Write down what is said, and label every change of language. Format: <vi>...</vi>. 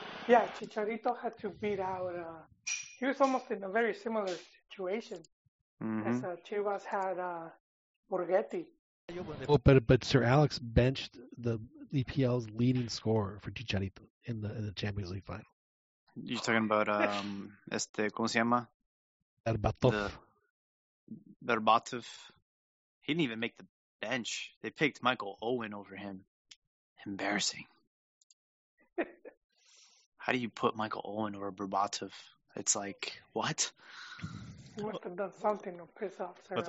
<en>Yeah, Chicharito had to beat out. He was almost in a very similar situation as Chivas had Borghetti. Well, but Sir Alex benched the EPL's leading scorer for Chicharito in the Champions League final. You're talking about</en> <es>¿cómo se llama?</es> <en>Berbatov. Berbatov. He didn't even make the bench. They picked Michael Owen over him. Embarrassing. How do you put Michael Owen over Berbatov? It's like, what? He must have done something to piss off Sir Alex.</en>